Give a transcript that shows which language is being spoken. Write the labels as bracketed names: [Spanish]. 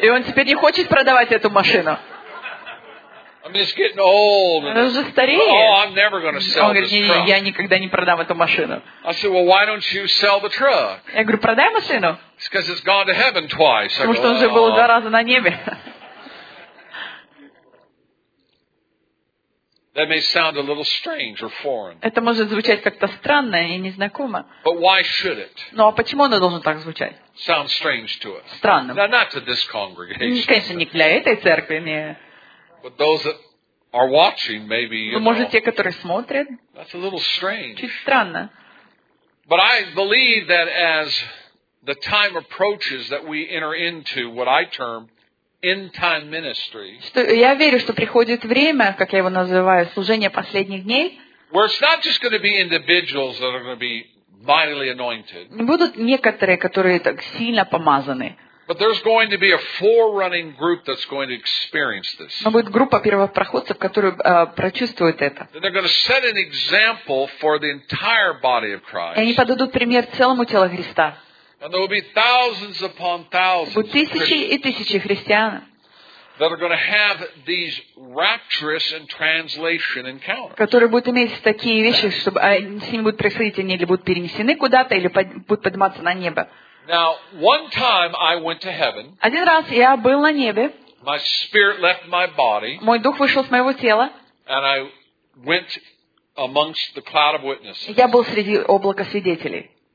[Russian] И он теперь не хочет продавать эту машину. [English] I mean, it's getting old. [Russian] Она уже стареет. [English] Oh, I'm never going to sell this truck. [Russian] Он говорит, я никогда не продам эту машину. [English] I said, well, why don't you sell the truck? [Russian] Я говорю, продай машину. [English] It's because it's gone to heaven twice. [Russian] Потому что он уже был два раза на небе. [English] That may sound a little strange or foreign. [Russian] Это может звучать как-то странно и незнакомо. [English] But why should it? [Russian] Ну а почему оно должно так звучать? [English] Sounds strange to us. [Russian] Странно. [English] Now, not to this congregation. [Russian] Конечно, не для этой церкви, не. [English] But those that are watching, maybe, you know, [Russian] те, которые смотрят, [English] that's a little strange. [Russian] Чуть странно. [English] But I believe that as the time approaches that we enter into what I term end time ministry. [Russian] Что, я верю, что приходит время, как я его называю, служение последних дней. [English] Where it's not just going to be individuals that are going to be mightily anointed. [Russian] Будут некоторые, которые так сильно помазаны. [English] But there's going to be a forerunning group that's going to experience this. [Russian] Но будет группа первопроходцев, которые прочувствуют это. [English] And they're going to set an example for the entire body of Christ. [Russian] И они подадут пример целому телу Христа. [English] And there will be thousands upon thousands. [Russian] Будут тысячи и тысячи христиан. [English] that are going to have these rapturous and translation encounters. [Russian] Которые будут иметь такие вещи, чтобы с ними будут происходить, они или будут перенесены куда-то, или будут подниматься на небо. [English] Now, one time I went to heaven. [Russian] Один раз я был на небе. [English] My spirit left my body. [Russian] Мой дух вышел с моего тела. [English] And I went amongst the cloud of witnesses. [Russian] Я был среди облака свидетелей.